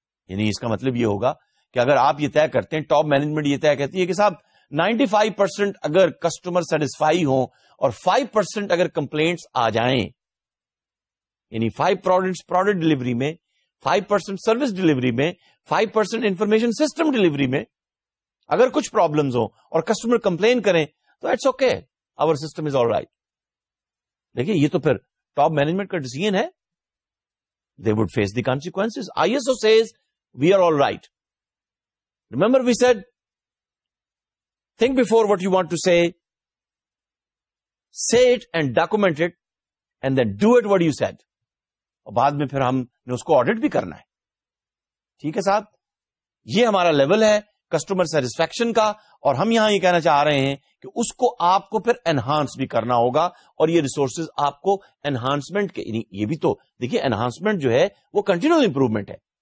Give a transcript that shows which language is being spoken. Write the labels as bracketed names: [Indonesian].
[Urdu] یعنی اس کا مطلب یہ ہوگا کہ اگر آپ یہ طے کرتے ہیں, ٹاپ مینجمنٹ یہ طے کرتی ہے کہ صاحب 95% اگر کسٹمر سیٹسفائی ہوں اور 5% اگر کمپلینٹس آ جائیں, یعنی 5% پروڈکٹ ڈلیوری میں, 5% سروس ڈلیوری میں, 5% انفارمیشن سسٹم ڈلیوری میں اگر کچھ پرابلمز ہوں اور کسٹمر کمپلین کریں تو [English] It's okay, our system is all right. [Urdu] دیکھیے یہ تو پھر ٹاپ مینجمنٹ کا ڈیسیژن ہے. [English] They would face the consequences. ISO says, we are all right. Remember we said, think before what you want to say, say it and document it, and then do it what you said. [Urdu] اور بعد میں پھر ہم نے اس کو audit بھی کرنا ہے. ٹھیک ہے صاحب, یہ ہمارا level ہے customer satisfaction کا, اور ہم یہاں یہ کہنا چاہ رہے ہیں کہ اس کو آپ کو پھر انہانس بھی کرنا ہوگا, اور یہ ریسورسز آپ کو انہانسمنٹ کے, یہ بھی تو دیکھیے انہانسمنٹ جو ہے وہ کنٹینیول امپروومنٹ ہے.